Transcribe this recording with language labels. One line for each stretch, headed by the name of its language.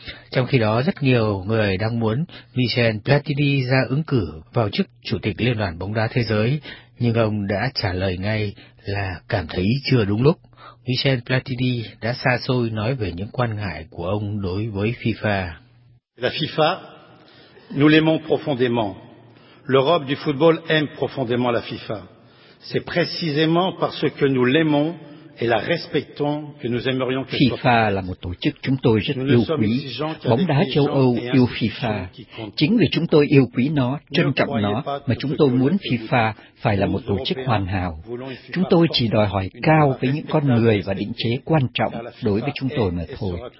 Vietnamese: Trong khi đó, rất nhiều người đang muốn Michel Platini ra ứng cử vào chức Chủ tịch Liên đoàn bóng đá thế giới, nhưng ông đã trả lời ngay là cảm thấy chưa đúng lúc. Michel Platini đã xa xôi nói về những quan ngại của ông đối với FIFA.
French: La FIFA, nous l'aimons profondément. L'Europe du football aime profondément la FIFA. C'est précisément parce que nous l'aimons et la respectons que nous aimerions que FIFA soit...
Vietnamese: là một tổ chức chúng tôi rất yêu quý. Bóng đá châu Âu yêu FIFA. Chính vì chúng tôi yêu quý nó, trân trọng nó, mà chúng tôi muốn FIFA phải là một tổ chức hoàn hảo. Chúng tôi chỉ đòi hỏi cao với những con người và định chế quan trọng đối với chúng tôi mà thôi.